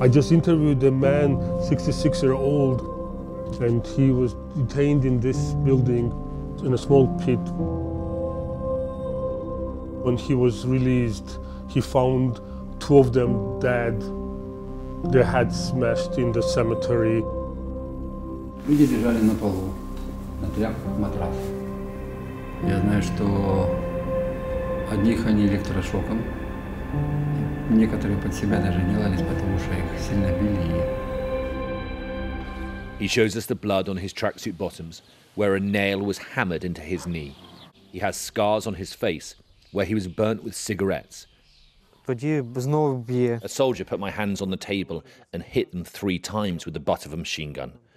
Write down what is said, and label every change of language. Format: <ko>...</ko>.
<en>I just interviewed a man, 66 years old, and he was detained in this building in a small pit. When he was released, he found two of them dead, their heads smashed in the cemetery.</en> <ru>Люди лежали на полу, на тряпках, матрас. Я знаю, что одних они электрошоком, некоторые под себя даже не лались, потому что их сильно били.</ru> <en>He shows us the blood on his tracksuit bottoms, where a nail was hammered into his knee. He has scars on his face, where he was burnt with cigarettes. A soldier put my hands on the table and hit them three times with the butt of a machine gun.</en>